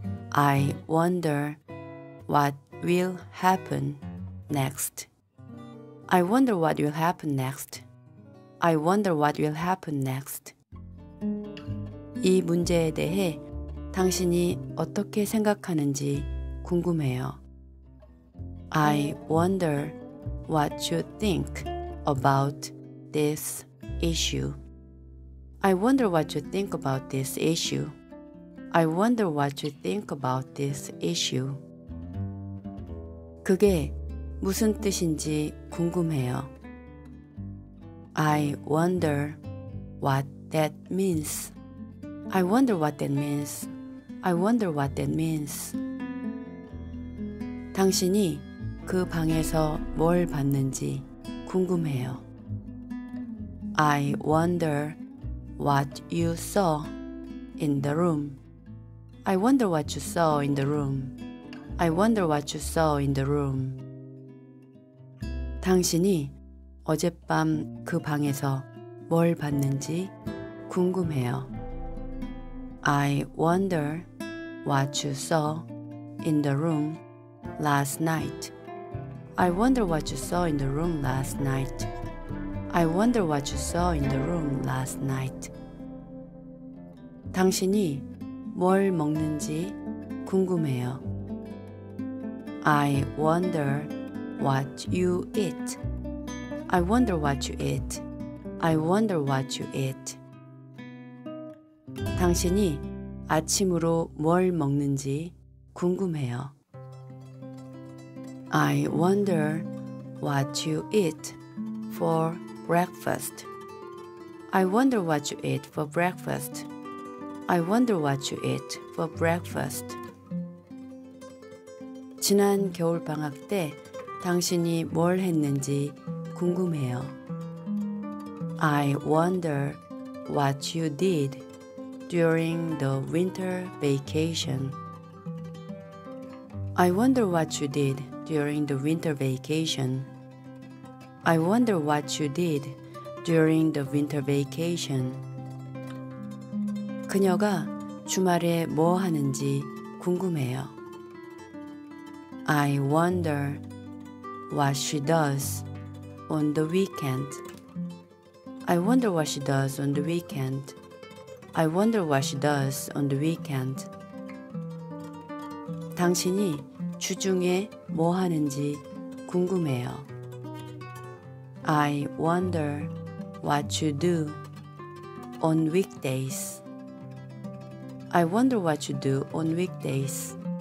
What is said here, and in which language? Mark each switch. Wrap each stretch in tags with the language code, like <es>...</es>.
<en>I wonder what will happen next. I wonder what will happen next. I wonder what will happen next.</en> <ko>이 문제에 대해 당신이 어떻게 생각하는지 궁금해요.</ko> <en>I wonder what you think about this issue. I wonder what you think about this issue. I wonder what you think about this issue.</en> <ko>그게 무슨 뜻인지 궁금해요.</ko> <en>I wonder what that means. I wonder what that means. I wonder what that means.</en> <ko>당신이 그 방에서 뭘 봤는지 궁금해요.</ko> <en>I wonder what you saw in the room. I wonder what you saw in the room. I wonder what you saw in the room.</en> <ko>당신이 어젯밤 그 방에서 뭘 봤는지 궁금해요.</ko> <en>I wonder what you saw in the room last night. I wonder what you saw in the room last night. I wonder what you saw in the room last night.</en> <ko>당신이 뭘 먹는지 궁금해요.</ko> <en>I wonder what you eat. I wonder what you eat. I wonder what you eat.</en> <ko>당신이 아침으로 뭘 먹는지 궁금해요.</ko> <en>I wonder what you eat for breakfast. I wonder what you eat for breakfast. I wonder what you eat for breakfast.</en> <ko>지난 겨울 방학 때 당신이 뭘 했는지 궁금해요.</ko> <en>I wonder what you did during the winter vacation. I wonder what you did during the winter vacation. I wonder what you did during the winter vacation.</en> <ko>그녀가 주말에 뭐 하는지 궁금해요.</ko> <en>I wonder what she does on the weekend. I wonder what she does on the weekend. I wonder what she does on the weekend.</en> <ko>당신이 주중에 뭐 하는지 궁금해요.</ko> <en>I wonder what you do on weekdays. I wonder what you do on weekdays.</en>